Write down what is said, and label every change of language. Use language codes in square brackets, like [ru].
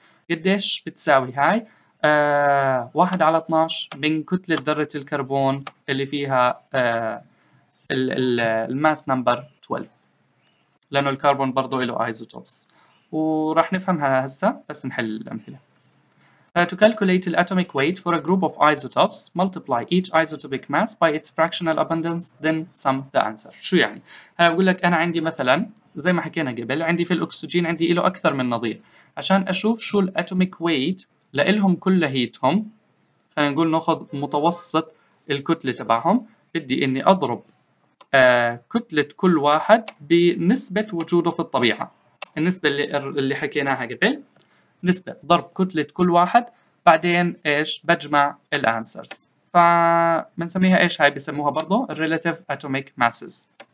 [ar] قديش بتساوي هاي؟ 1 على 12 من كتلة ذرة الكربون اللي فيها الماس نمبر 12، لأنه الكربون برضو له آيزوتوبس وراح نفهمها هسا بس نحل الأمثلة. [en] To calculate the atomic weight for a group of isotopes, multiply each isotopic mass by its fractional abundance, then sum the answer. [ar] شو يعني؟ هلا بقول لك أنا عندي مثلا زي ما حكينا قبل عندي في الأكسجين عندي له أكثر من نظير، عشان أشوف شو الأتوميك ويت لإلهم كلهيتهم خلينا نقول ناخذ متوسط الكتلة تبعهم، بدي إني أضرب كتلة كل واحد بنسبة وجوده في الطبيعة، النسبة اللي حكيناها قبل، نسبة ضرب كتلة كل واحد، بعدين إيش بجمع الأنسرز، فبنسميها إيش هاي بسموها برضو Relative Atomic Masses.